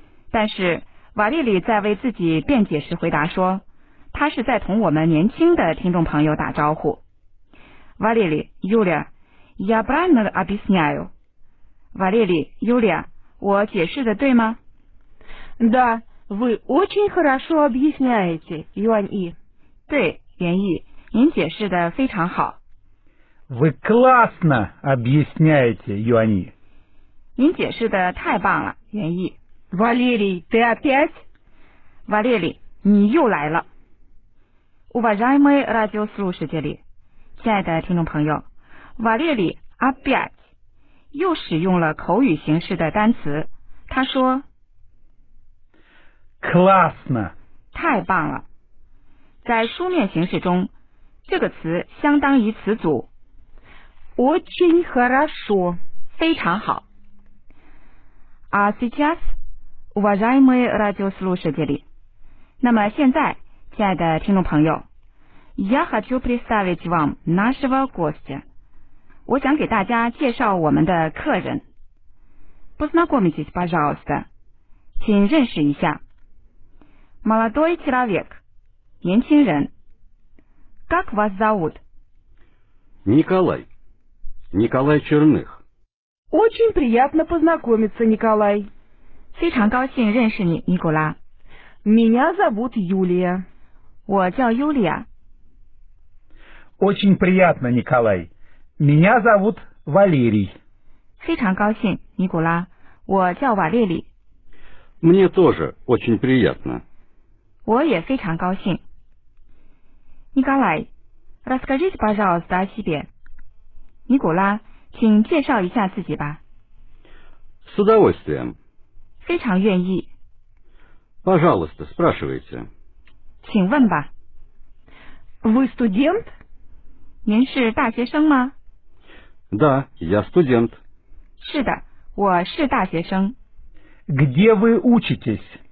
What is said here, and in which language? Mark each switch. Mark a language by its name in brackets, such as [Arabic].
[Chinese] 但是瓦列里在为自己辩解时回答说，他是在同我们年轻的听众朋友打招呼。 [Russian] 瓦列里 ，Юлия。Я правильно объясняю. [Chinese] Валерий, Юлия, 我解释的对吗? [Russian] Да, вы очень хорошо объясняете, Юань И. [Chinese] 对, Юань И, 您解释的非常好。 [Russian] Вы классно объясняете, Юань И. [Chinese] 您解释的太棒了, Юань И. [Russian] Валерий, ты опять? [Chinese] Валерий, 你又来了。 [Russian] Уважаемые радиослушатели, [Chinese] 亲爱的听众朋友。瓦列里 опять 又使用了口语形式的单词他说 [Russian] классно [Chinese] 太棒了在书面形式中这个词相当于词组 [Russian] очень хорошо [Chinese] 非常好 [Russian] А сейчас уважаемые радиослушатели [Chinese] 那么现在亲爱的听众朋友 [Russian] Я хочу представить вам нашего гостя [Chinese] 我想给大家介绍我们的客人。 [Russian] Познакомьтесь, пожалуйста. [Chinese] 请认识一下。 [Russian] Молодой человек, [Chinese] 年轻人。 [Russian] Как вас зовут? Николай, Николай Черных. Очень приятно познакомиться, Николай. [Chinese] 非常高兴认识你，尼古拉。 [Russian] Меня зовут Юлия. [Chinese] 我叫 Юлия. [Russian] Очень приятно, Николай. Меня зовут Валерий. [Chinese] 非常高兴，尼古拉。我叫瓦列里。 [Russian] Мне тоже очень приятно. [Chinese] 我也非常高兴。 [Russian] Николай, расскажите, пожалуйста, о себе. [Chinese] 尼古拉，请介绍一下自己吧。 [Russian] С удовольствием. [Chinese] 非常愿意。 [Russian] Пожалуйста, спрашивайте. [Chinese] 请问吧。 [Russian] Вы студент? [Chinese] 您是大学生吗？ [Russian] Да, я студент. [Chinese] 是的，我是大学生。 [Russian] Где вы учитесь?